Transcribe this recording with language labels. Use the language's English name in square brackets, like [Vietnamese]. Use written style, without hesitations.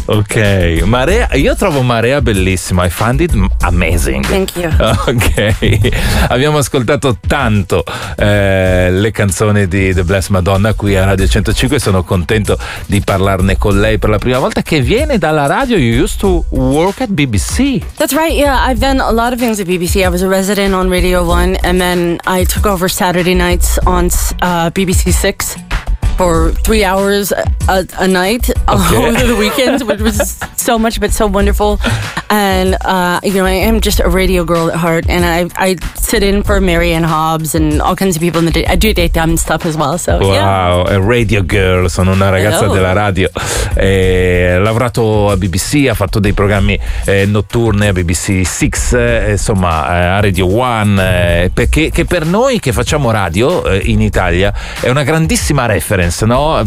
[Italian] Okay, Marea. Io trovo Marea bellissimo. [English] I find it amazing. Thank you. [Italian] Okay. Abbiamo ascoltato tanto le canzoni di The Blessed Madonna qui a Radio 105. Sono contento di parlarne con lei per la prima volta, che viene dalla radio. [English] You used to work at BBC. That's right. Yeah, I've done a lot of things at BBC. I was a resident on Radio 1, and then I took over Saturday nights on BBC 6 for 3 hours a night over the weekends, which was so much, but so wonderful. And you know, I am just a radio girl at heart, and I sit in for Marianne Hobbs and all kinds of people in the day. I do daytime stuff as well. So wow, yeah. A radio girl. [Italian] Sono una ragazza della radio. Ha lavorato a BBC, ha fatto dei programmi notturni a BBC 6, insomma a Radio 1, perché per noi che facciamo radio in Italia è una grandissima reference, no?